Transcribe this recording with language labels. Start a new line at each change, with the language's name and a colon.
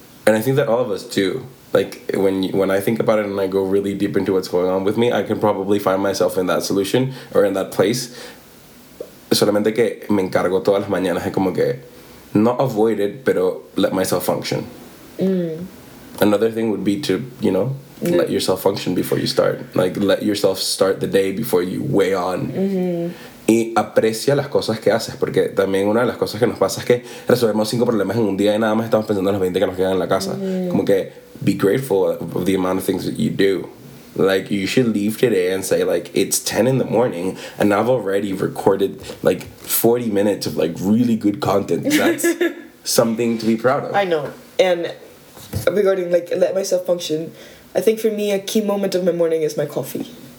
English: And I think that all of us do. Like, when I think about it and I go really deep into what's going on with me, I can probably find myself in that solution or in that place.
Spanish: Solamente que me encargo todas las mañanas, como que
English: not avoid it,
Spanish: pero
English: let myself function. Mm. Another thing would be to, you know, let yourself function before you start. Like, let yourself start the day before you weigh on. Mm-hmm.
Spanish: Y aprecia las cosas que haces, porque también una de las cosas que nos pasa es que resolvemos 5 problemas en un día y nada más estamos pensando en los 20 que nos quedan en la casa. Mm-hmm. Como que,
English: be grateful of the amount of things that you do. Like, you should leave today and say, like, it's 10 in the morning, and I've already recorded, like, 40 minutes of, like, really good content. That's something to be proud of. I know. And regarding, like, let myself function, I think for me, a key moment of my morning is my coffee.